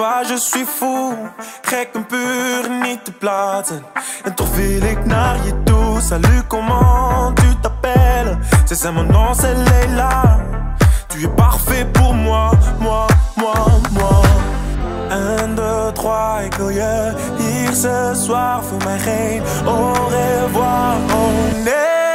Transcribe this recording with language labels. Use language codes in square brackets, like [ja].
[fr] Je suis fou, [nl] gek en puur, niet te plaatsen. En toch wil ik naar je toe. [fr] Salut, comment tu t'appelles? C'est ça, mon nom, c'est Leila. Tu es parfait pour moi, moi, moi, moi. Un, deux, trois, [nl] ik wil je hier [fr] ce soir. [nl] Voor mij geen [fr] au revoir, [nl] oh nee.